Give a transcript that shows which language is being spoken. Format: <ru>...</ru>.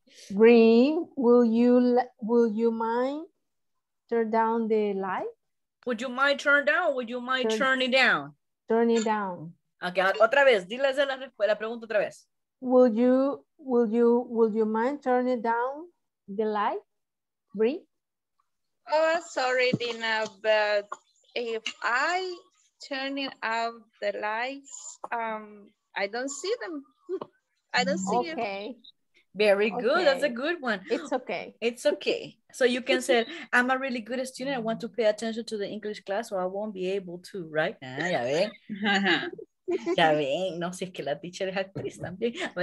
<en>Bri, will you mind turn down the light? Would you mind turn down? Would you mind turn it down? Turn it down.</en> <es>Okay, otra vez, diles la pregunta otra vez.</es> <en>Would you mind turn it down the light, Bri? Oh, sorry, Dina, but if I turn it out the lights, I don't see them. I don't see you. Okay. Very good. Okay. That's a good one. It's okay. It's okay. So you can say, I'm a really good student. I want to pay attention to the English class or I won't be able to, right?</en> <es>Ah, ya ven. Ya ven. No, si es que la teacher es actriz también.</es>